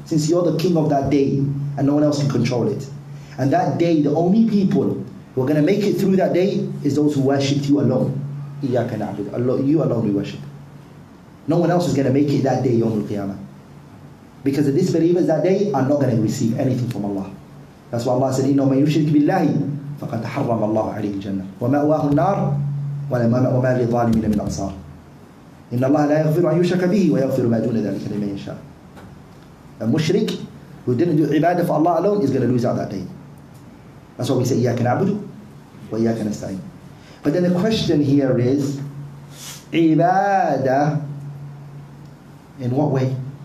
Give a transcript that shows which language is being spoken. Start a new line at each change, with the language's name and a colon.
English: Since you're the king of that day, and no one else can control it. And that day, the only people who are going to make it through that day is those who worship you alone. Iyyaka na'budu, you alone we worship. No one else is going to make it that day, Yawm al-Qiyamah. Because the disbelievers that day are not going to receive anything from Allah. That's why Allah said,
Arabic: إِنَّ مَنْ يُشْرِكْ بِاللَّهِ فَقَدْ حَرَّمَ اللَّهُ عَلَيْهِ الْجَنَّةِ وَمَأْوَاهُ النَّارُ وَمَا لِلظَّالِمِينَ مِنْ أَنْصَارٍ إِنَّ اللَّهَ لَا يَغْفِرُ أَنْ يُشْرَكَ بِهِ وَيَغْفِرُ مَا دُونَ ذَلِكَ لِمَنْ يَشَاءُ.
English: A mushrik who didn't do ibadah for Allah alone is going to lose out that day. That's why we say,
Arabic: إِيَّاكَ نَعْبُدُ وَإِيَّاكَ نَسْتَعِينُ.
English: But then the question here is, ibadah in what way?